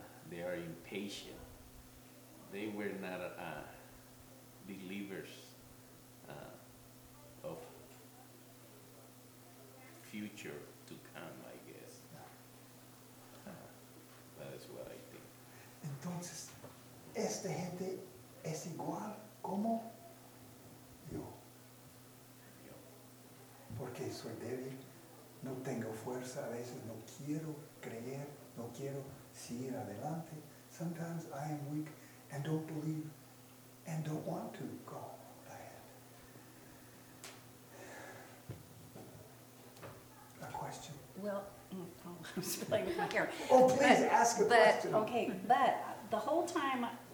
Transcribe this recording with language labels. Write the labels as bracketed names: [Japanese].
[English] They are impatient. They were not believers of future to come, I guess. That is what I think. [Spanish] Entonces, esta gente es igual como yo. Yo. Porque soy débil, no tengo fuerza, a veces no quiero creer, no quiero seguir adelante. [English] Sometimes I am weak and don't believe and don't want to go ahead. A question? Well, I'm just playing with my camera. Oh, please, but, ask a but, question. Okay, but the whole time,